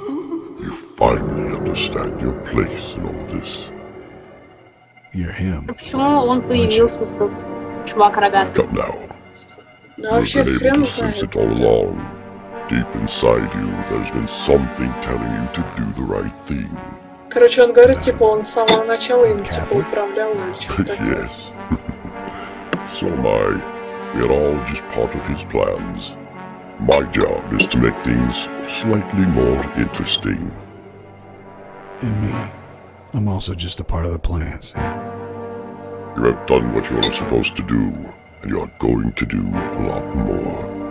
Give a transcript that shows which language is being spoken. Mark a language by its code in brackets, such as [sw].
[en] You finally understand your place in all this. You're him. Come now. You've been able to sense it all along. Deep inside you, there's been something telling you to do the right thing. [ru] Короче, он говорит, типа, он с самого начала им, типа, управлял или что-то такое. [en] Yes. So am I. We're all just part of his plans. My job is to make things slightly more interesting. And me, I'm also just a part of the plans. You have done what you are supposed to do, and you are going to do a lot more.